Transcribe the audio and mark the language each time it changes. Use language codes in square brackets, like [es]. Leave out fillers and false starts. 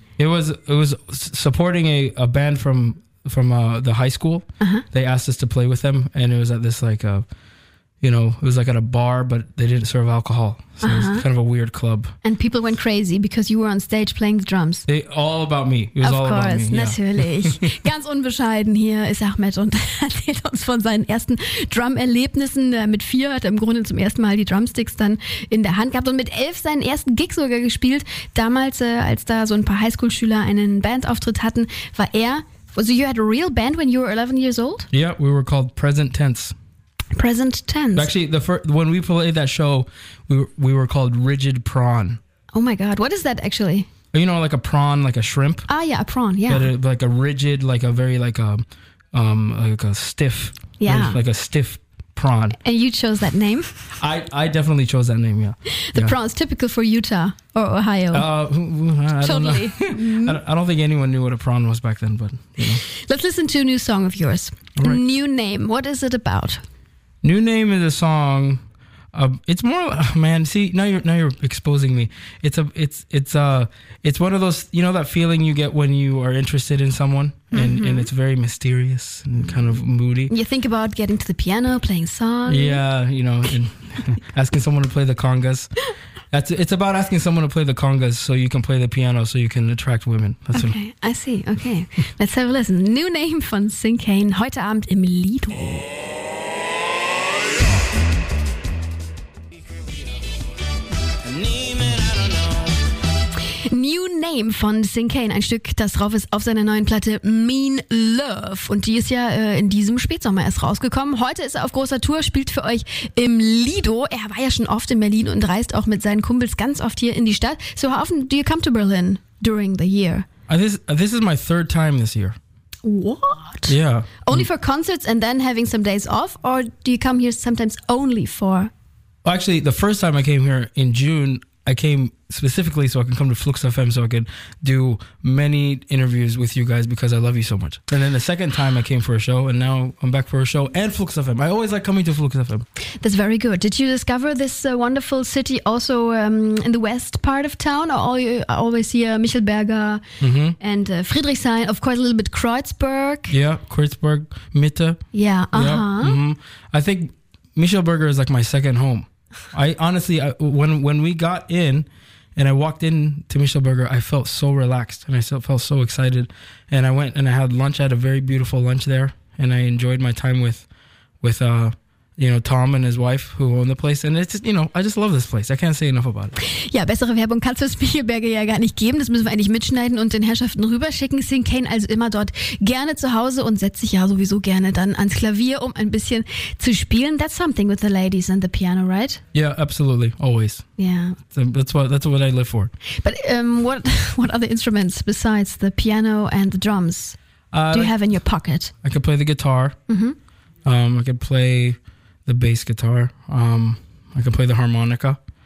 [en] It was supporting a band from the high school. Uh-huh. They asked us to play with them. And it was at this like... you know, it was like at a bar, but they didn't serve alcohol. So uh-huh. It was kind of a weird club. And people went crazy because you were on stage playing the drums. All about me. It was all about me. Of course, [de] natürlich. Ganz unbescheiden hier ist Ahmed und erzählt uns von seinen ersten Drum-Erlebnissen. Mit 4 hat er im Grunde zum ersten Mal die Drumsticks dann in der Hand gehabt und mit 11 seinen ersten Gig sogar gespielt. Damals, als da so ein paar Highschool-Schüler einen Bandauftritt hatten, war er... [en] So you had a real band when you were 11 years old? Yeah, we were called Present Tense. Present tense. Actually, the first when we played that show, we were called Rigid Prawn. Oh my God! What is that actually? You know, like a prawn, like a shrimp. Ah, yeah, a prawn. Yeah, but like a rigid, like a very like a, like a stiff. Yeah. Like a stiff prawn. And you chose that name. I definitely chose that name. Yeah. Prawn is typical for Utah or Ohio. I don't think anyone knew what a prawn was back then, but you know. Let's listen to a new song of yours. Right. New name. What is it about? New name is a song. It's more, man. See, now you're exposing me. It's one of those. You know that feeling you get when you are interested in someone, and, mm-hmm. and it's very mysterious and kind of moody. You think about getting to the piano, playing songs. Yeah, you know, and asking someone to play the congas. It's about asking someone to play the congas so you can play the piano so you can attract women. That's okay, what. I see. Okay, let's have a listen. [de] New name von Citizen Kane heute Abend im Lido. New Name von Citizen Kane, ein Stück, das drauf ist auf seiner neuen Platte Mean Love. Und die ist ja in diesem Spätsommer erst rausgekommen. Heute ist er auf großer Tour, spielt für euch im Lido. Er war ja schon oft in Berlin und reist auch mit seinen Kumpels ganz oft hier in die Stadt. [en] So how often do you come to Berlin during the year? This is my third time this year. What? Yeah. Only for concerts and then having some days off? Or do you come here sometimes only for... Well, actually, the first time I came here in June, I came... specifically so I can come to Flux FM so I can do many interviews with you guys because I love you so much. And then the second time I came for a show, and now I'm back for a show and Flux FM. I always like coming to Flux FM. That's very good. Did you discover this wonderful city also in the west part of town? Or all you always hear Michelberger and Friedrichshain, of course, a little bit Kreuzberg. Yeah, Kreuzberg, Mitte. Yeah, I think Michelberger is like my second home. I honestly, when we got in and I walked in to Michelberger, I felt so relaxed and I felt so excited. And I went and I had lunch. I had a very beautiful lunch there. And I enjoyed my time with Tom and his wife who own the place. And it's, I just love this place. I can't say enough about it. [de] Ja, bessere Werbung kannst du das Michelberger ja gar nicht geben. Das müssen wir eigentlich mitschneiden und den Herrschaften rüberschicken. Sind Kane also immer dort gerne zu Hause und setzt sich ja sowieso gerne dann ans Klavier, um ein bisschen zu spielen. [en] That's something with the ladies and the piano, right? Yeah, absolutely. Always. Yeah. That's what I live for. But what other instruments besides the piano and the drums do you have in your pocket? I could play the guitar. Mm-hmm. I could play the bass guitar. I can play the harmonica.